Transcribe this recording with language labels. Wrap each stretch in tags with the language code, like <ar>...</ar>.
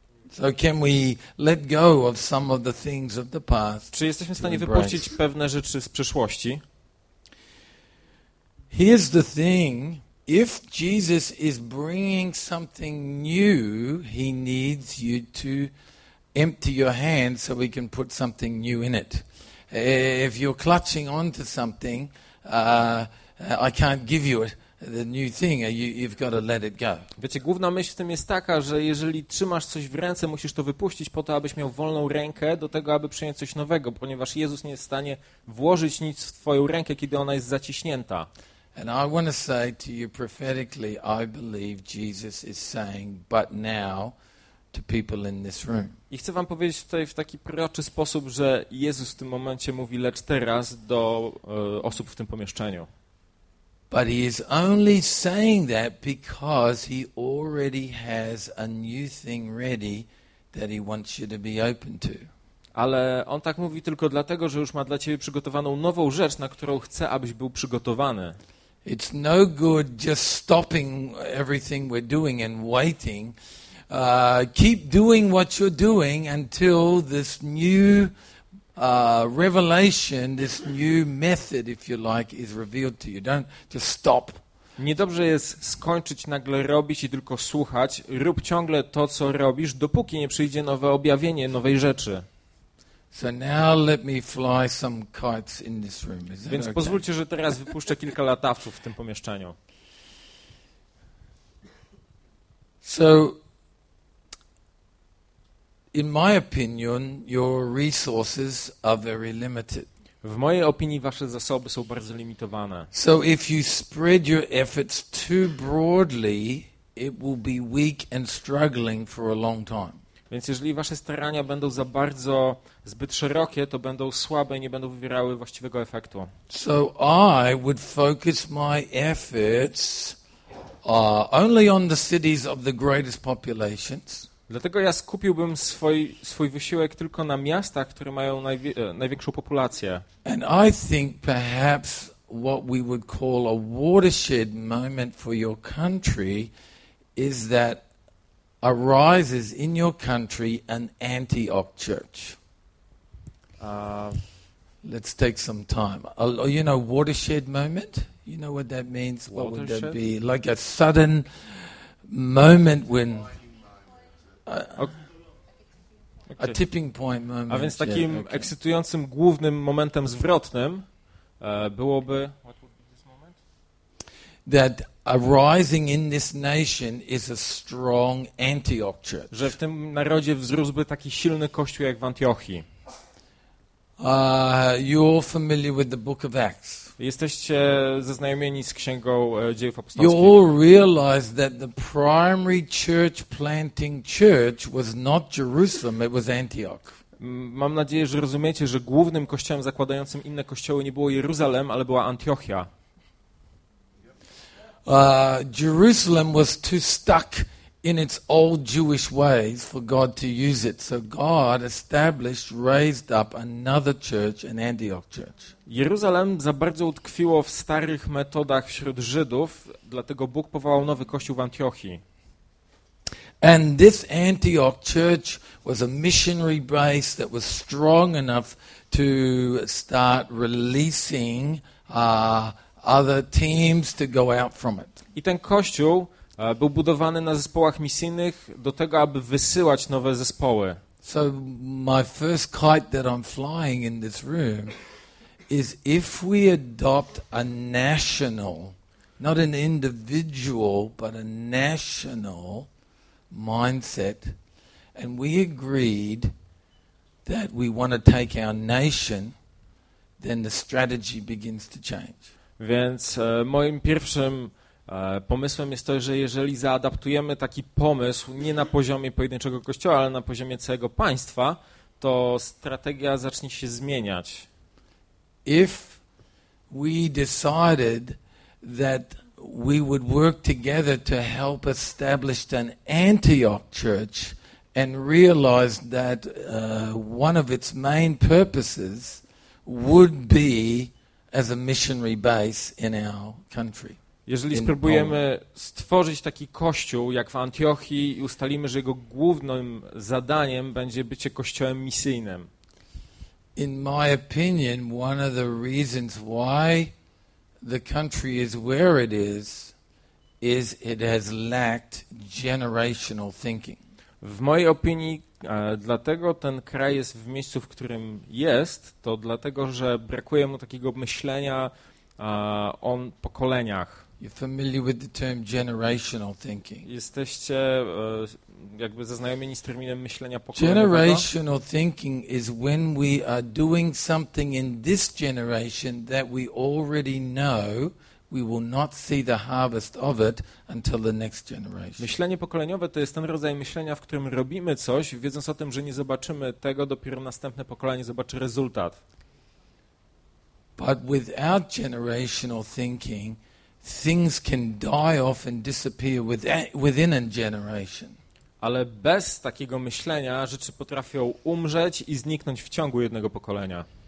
<en>So can we let go of some of the things of the past?</en> <pl>Czy jesteśmy w stanie wypuścić pewne rzeczy z przeszłości?</pl> <en>Here's the thing. If Jesus is bringing something new, he needs you to empty your hand so we can put something new in it. If you're clutching on to something, I can't give you the new thing. You've got to let it go.</en> <pl>Wiecie, główna myśl w tym jest taka, że jeżeli trzymasz coś w ręce, musisz to wypuścić po to, abyś miał wolną rękę do tego, aby przyjąć coś nowego, ponieważ Jezus nie jest w stanie włożyć nic w twoją rękę, kiedy ona jest zaciśnięta.</pl> <en>And I want to say to you prophetically, I believe Jesus is saying, but now, to people in this room.</en> <pl>I chcę wam powiedzieć tutaj w taki proroczy sposób, że Jezus w tym momencie mówi, lecz teraz do osób w tym pomieszczeniu.</pl> <en>But he is only saying that because he already has a new thing ready that he wants you to be open to.</en> <pl>Ale on tak mówi tylko dlatego, że już ma dla ciebie przygotowaną nową rzecz, na którą chce, abyś był przygotowany.</pl> <en>It's no good just stopping everything we're doing and waiting. Keep doing what you're doing until this new revelation, this new method, if you like, is revealed to you. Don't just stop.</en> <pl>Niedobrze jest skończyć nagle robić i tylko słuchać. Rób ciągle to, co robisz, dopóki nie przyjdzie nowe objawienie, nowej rzeczy.</pl> <en>So now let me fly some kites in this room. Is that</en> <pl>Więc</pl> <en>okay?</en> <pl>Pozwólcie, że teraz wypuszczę kilka latawców w tym pomieszczeniu.</pl> <en>So, in my opinion, your resources are very limited.</en> <pl>W mojej opinii wasze zasoby są bardzo limitowane.</pl> <en>So if you spread your efforts too broadly, it will be weak and struggling for a long time.</en> <pl>Więc jeżeli wasze starania będą za bardzo zbyt szerokie, to będą słabe i nie będą wywierały właściwego efektu.</pl> <en>So I would focus my efforts only on the cities of the greatest populations.</en> <pl>Dlatego ja skupiłbym swój wysiłek tylko na miastach, które mają największą populację.</pl> <en>And I think perhaps what we would call a watershed moment for your country is that arises in your country an Antioch church. Let's take some time. You know, watershed moment? You know what that means? Watershed? What would that be? Like a sudden moment when... A tipping point moment.</en> <pl>A więc takim ekscytującym głównym momentem zwrotnym byłoby.</pl> <en>That arising in this nation is a strong Antioch church.</en> <pl>Że w tym narodzie wzrósłby taki silny kościół jak w Antiochii.</pl> <en>You're all familiar with the Book of Acts.</en> <pl>Jesteście zaznajomieni z Księgą Dziejów Apostolskich.</pl> <en>You all realize that the primary church planting church was not Jerusalem, it was Antioch.</en> <pl>Mam nadzieję, że rozumiecie, że głównym kościołem zakładającym inne kościoły nie było Jeruzalem, ale była Antiochia.</pl> <en>Jerusalem was too stuck in its old Jewish ways for God to use it. So God established, raised up another church, an Antioch church.</en> <pl>Jeruzalem za bardzo utkwiło w starych metodach wśród Żydów, dlatego Bóg powołał nowy kościół w Antiochii.</pl> <en>And this Antioch church was a missionary base that was strong enough to start releasing other teams to go out from it.</en> <pl>I ten kościół był budowany na zespołach misyjnych do tego, aby wysyłać nowe zespoły.</pl> <en>So my first kite that I'm flying in this room is if we adopt a national, not an individual, but a national mindset, and we agreed that we want to take our nation, then the strategy begins to change.</en> <pl>Więc moim pierwszym pomysłem jest to, że jeżeli zaadaptujemy taki pomysł nie na poziomie pojedynczego kościoła, ale na poziomie całego państwa, to strategia zacznie się zmieniać.</pl> <en>If we decided that we would work together to help establish an Antioch church and realize that one of its main purposes would be as a missionary base in our country.</en> <pl>Jeżeli spróbujemy stworzyć taki kościół jak w Antiochii i ustalimy, że jego głównym zadaniem będzie bycie kościołem misyjnym.</pl> <en>In my opinion, one of the reasons why the country is where it is it has lacked generational thinking.</en> <pl>W mojej opinii, dlatego ten kraj jest w miejscu, w którym jest, to dlatego, że brakuje mu takiego myślenia o pokoleniach.</pl> <en>You're familiar with the term generational thinking.</en> <pl>Jesteście jakby zaznajomieni z terminem myślenia pokoleniowego.</pl> <en>Generational thinking is when we are doing something in this generation that we already know we will not see the harvest of it until the next generation.</en> <pl>Myślenie pokoleniowe to jest ten rodzaj myślenia, w którym robimy coś, wiedząc o tym, że nie zobaczymy tego, dopiero następne pokolenie zobaczy rezultat.</pl> <en>But without generational thinking, things can die off and disappear within a generation.</en> <pl>Ale bez takiego myślenia rzeczy potrafią umrzeć i zniknąć w ciągu jednego pokolenia.</pl>